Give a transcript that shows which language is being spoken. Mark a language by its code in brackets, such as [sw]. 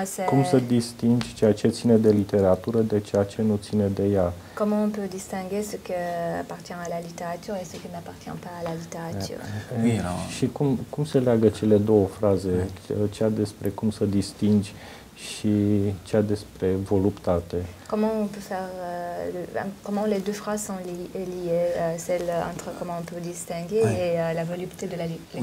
[ro] cum să distingi ceea ce ține de literatură de ceea ce nu ține de ea? [fr] Comment on peut distinguer ce qui appartient à la littérature et ce qui n'appartient pas à la littérature? [ro] Și cum se leagă cele două fraze, cea despre cum să distingi și cea despre voluptate? [fr] Comment on peut faire comment les deux phrases sont liées, celle entre comment on peut distinguer oui. et la volupté de la lecture.